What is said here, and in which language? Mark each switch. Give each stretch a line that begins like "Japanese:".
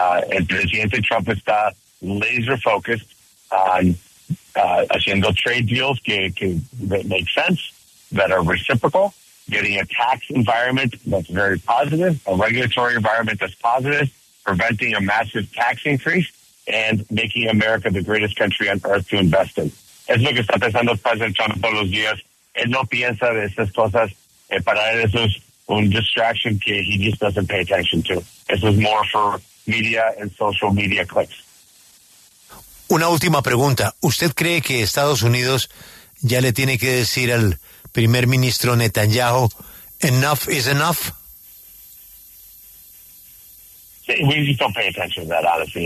Spanish: El presidente Trump está
English: laser focused on haciendo trade deals that make sense, that are reciprocal, getting a tax environment that's very positive, a regulatory environment that's positive, preventing a massive tax increase, and making America the greatest country on earth to invest in.
Spanish: Es lo que está pensando el presidente Trump todos los días. Él no piensa de esas cosas. Para él eso es un distraction que
English: he just doesn't pay attention to.
Spanish: Eso es
English: more for media and social media clicks.
Spanish: Una última pregunta. ¿Usted cree que Estados Unidos ya le tiene que decir al primer ministro Netanyahu,
English: enough is enough? Sí, we just don't pay attention to that, honestly.